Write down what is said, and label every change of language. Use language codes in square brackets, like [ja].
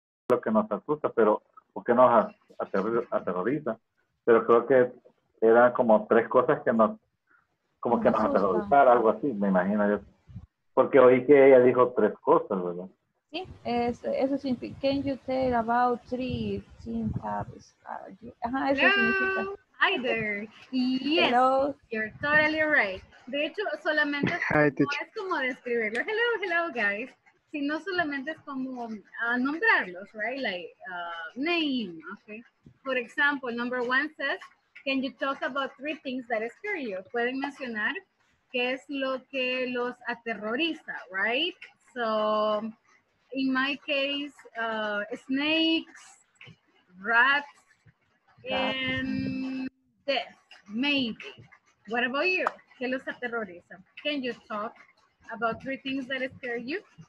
[es] Lo que nos asusta, pero porque nos aterroriza, pero creo que eran como tres cosas que nos como que nos aterrorizaron, algo así, me imagino yo, porque oí que ella dijo tres cosas, ¿verdad? Sí, eso significa, [en] can you tell about three things that scare you? [es] Ajá, eso [en] hello. [es] Significa. [en] Hi there. Yes, hello. You're totally right. [es] De hecho, solamente es como describirlo. [en] Hello, hello, guys. [es] Si no solamente es como nombrarlos, [en] right? Like, name, okay? For example, number one says, can you talk about three things that scare you? [es] Pueden mencionar qué es lo que los aterroriza, right? [en] So, in my case, snakes, rats, and death, maybe. What about you? [es] ¿Qué los aterroriza? [en] Can you talk about three things that scare you?